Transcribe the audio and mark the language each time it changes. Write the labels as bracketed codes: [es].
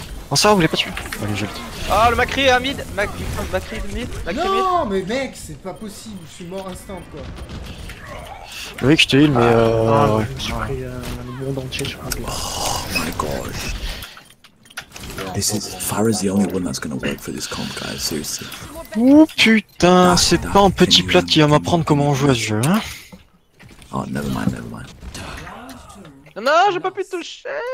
[fr] On s'en va, vous l'avez pas tué. Allez, je le dis. Oh, le Macri est à mid. Macri est mid. Non, mais mec, c'est pas possible. Je suis mort instant, quoi. Oui, je te heal, mais. Non, ouais. J'ai pris le monde entier, je crois. [en] Oh my gosh. This is. Far is the only one that's gonna work for this comp, guys, seriously. [fr] Ouh putain, c'est pas un petit plat qui va m'apprendre comment on joue à ce jeu, hein. [en] Oh, never mind. [fr] Non, j'ai pas pu toucher.